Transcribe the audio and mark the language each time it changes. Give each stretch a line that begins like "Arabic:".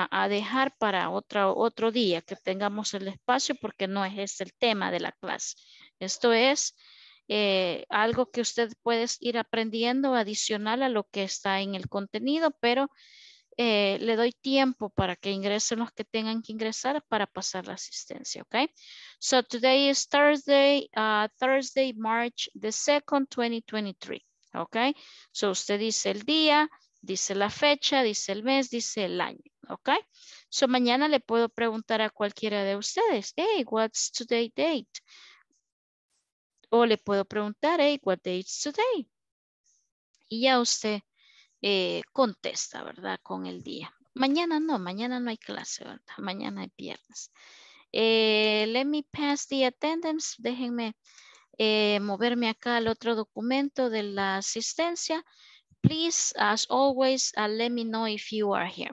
Spanish: dejar para otro día que tengamos el espacio porque no es este el tema de la clase, esto es algo que usted puede ir aprendiendo adicional a lo que está en el contenido, pero le doy tiempo para que ingresen los que tengan que ingresar para pasar la asistencia, ok.
English: So today is Thursday, Thursday, March the 2nd, 2023, ok.
Spanish: So usted dice el día, dice la fecha, dice el mes, dice el año, ok. So mañana le puedo preguntar a cualquiera de ustedes, hey,
English: what's today date?
Spanish: O le puedo preguntar,
English: hey, what day is today?
Spanish: Y ya usted contesta, ¿verdad? Con el día. Mañana no hay clase, ¿verdad? Mañana es viernes.
English: Let me pass the attendance.
Spanish: Déjenme moverme acá al otro documento de la asistencia.
English: Please, as always, let me know if you are here.